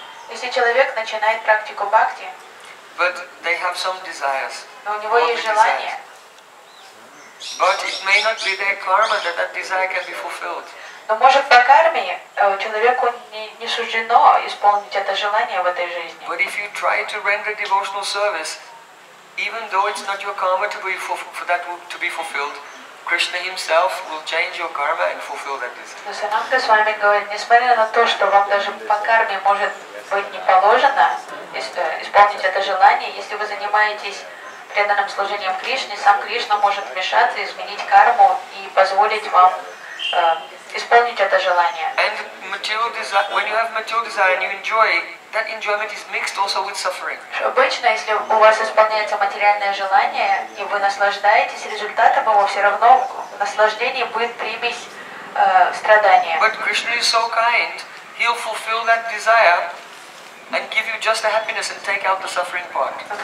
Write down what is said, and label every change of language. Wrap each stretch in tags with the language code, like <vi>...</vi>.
<ru>если человек начинает практику бхакти,</ru> <en>but they have some desires,</en> <ru>но у него есть желание,</ru> <en>but it may not be their karma that that desire can be fulfilled.</en> <ru>Но может по карме человеку не суждено исполнить это желание в этой жизни.</ru> <en>But if you try to render devotional service, even though it's not your karma to be for that to be fulfilled, Krishna himself will change your karma and fulfill that desire.</en> <ru>Но Сананда с вами говорит, несмотря на то, что вам даже по карме может быть не положено исполнить это желание, если вы занимаетесь преданным служением Кришне, сам Кришна может вмешаться, изменить карму и позволить вам исполнить это желание.</ru> <en>And material desire, when you have material desire and you enjoy, that enjoyment is mixed also with suffering.</en> <ru>Обычно, если у вас исполняется материальное желание и вы наслаждаетесь результатом, его все равно наслаждение будет примесь страдания.</ru> <en>But Krishna is so kind, he'll fulfill that desire and give you just the happiness and take out the suffering part.</en>